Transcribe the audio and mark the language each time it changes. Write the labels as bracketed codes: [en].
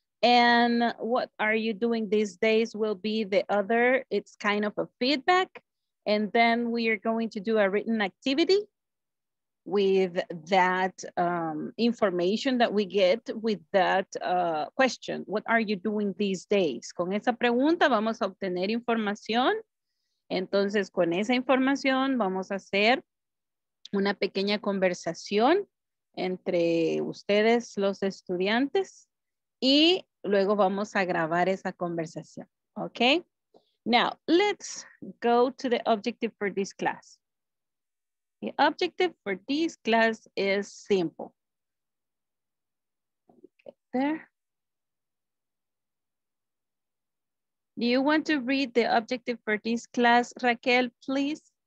[en] And what are you doing these days will be the other, it's kind of a feedback. And then we are going to do a written activity with that information that we get with that question. What are you doing these days? [es] Con esa pregunta vamos a obtener información. Entonces con esa información vamos a hacer una pequeña conversación entre ustedes, los estudiantes, y luego vamos a grabar esa conversación, okay? [en] Now, let's go to the objective for this class. The objective for this class is simple. Get there. Do you want to read the objective for this class, Raquel, please?